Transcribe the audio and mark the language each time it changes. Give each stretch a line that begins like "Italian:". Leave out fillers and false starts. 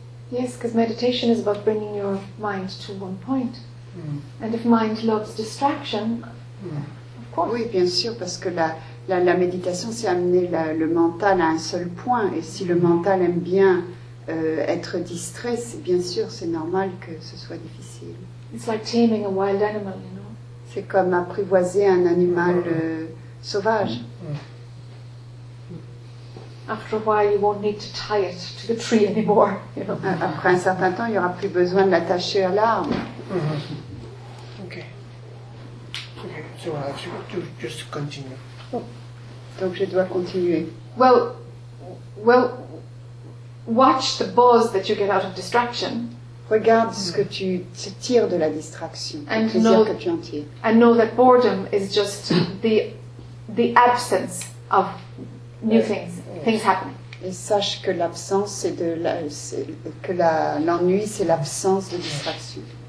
English: Yes, because meditation is about bringing your mind to one point. Mm. And if mind loves distraction, mm. of course.
French: Oui, bien sûr, parce que la méditation, c'est amener le mental à un seul point. Et si le mental aime bien être distrait, c'est bien sûr, c'est normal que ce soit difficile.
English: It's like taming a wild animal, you know.
French: C'est comme apprivoiser un animal sauvage.
English: After a while, you won't need to tie it to the tree anymore.
French: Après un certain temps, il n'y aura plus besoin de l'attacher à l'arbre.
English: Okay. Okay. So just continue.
French: Donc je dois continuer.
English: Well, watch the buzz that you get out of distraction.
French: Regarde ce que tu tires de la distraction.
English: And
French: le plaisir que tu en tires.
English: And know that boredom is just the absence of new things. Things happen.
French: Et sache que l'absence c'est de la, c'est, que la, l'ennui c'est l'absence de distraction.